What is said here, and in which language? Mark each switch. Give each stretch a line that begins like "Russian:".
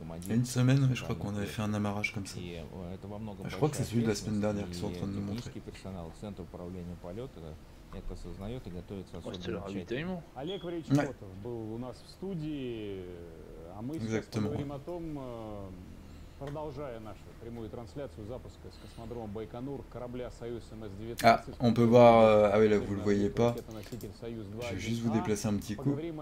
French: Une semaine, je crois qu'on avait fait un amarrage comme ça. Je crois que c'est celui de la semaine dernière qu'ils sont en train de nous montrer. Exactement.
Russian: Продолжая нашу прямую трансляцию запуска с космодрома Байконур корабля Союз МС-19.
French: А, on peut voir ah oui, là vous le voyez pas. Je vais juste vous déplacer un petit coup.